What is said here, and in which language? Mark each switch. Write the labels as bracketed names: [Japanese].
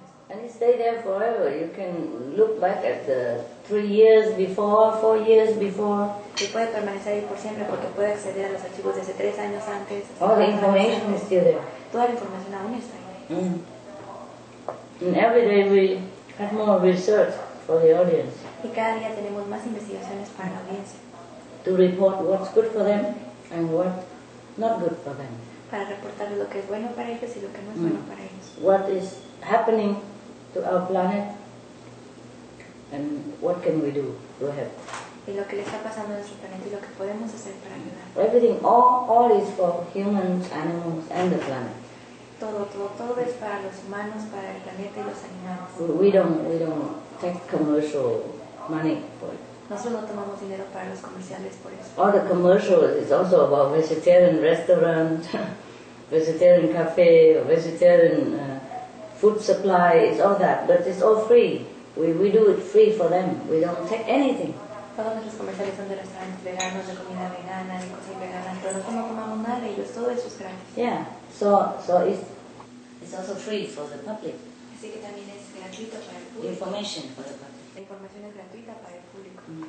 [English] And you stay there forever. You can look back at the 3 years before, 4 years before. [Spanish] Y puede permanecer ahí por siempre porque puede acceder a los archivos desde 3 años antes. [English] All the information is still there. [Spanish] Toda la información aún está ahí. [English] And every day we have more research for the audience. [Spanish] Y cada día tenemos más investigaciones para la audiencia. [English] To report what's good for them and what not good for them. [Spanish] Para reportar lo que es bueno para ellos y lo que no es bueno para ellos. [English] What is happening to to our planet. And what can we do to help? [Spanish] Y lo que le está pasando a nuestro planeta y lo que podemos hacer para ayudar. [English] Everything, all is for humans, animals, and the planet. [Spanish] Todo es para los humanos, para el planeta y los animales. [English] We don't take commercial money for it. [Spanish] Nosotros no tomamos dinero para los comerciales por eso. [English] All the commercials is also about vegetarian restaurant, vegetarian cafe, or vegetarian food supply. It's all that, but it's all free. We do it free for them. We don't take anything. [Spanish] Todos nuestros comerciales son de restaurantes veganos, de comida vegana, de cosas veganas. Nosotros no tomamos nada de ellos. Todo eso es gratis. [English] Yeah. So it's also free for the public. [Spanish] Así que también es gratuito para el público. [English] Information for the public. [Spanish] La información es gratuita para el público.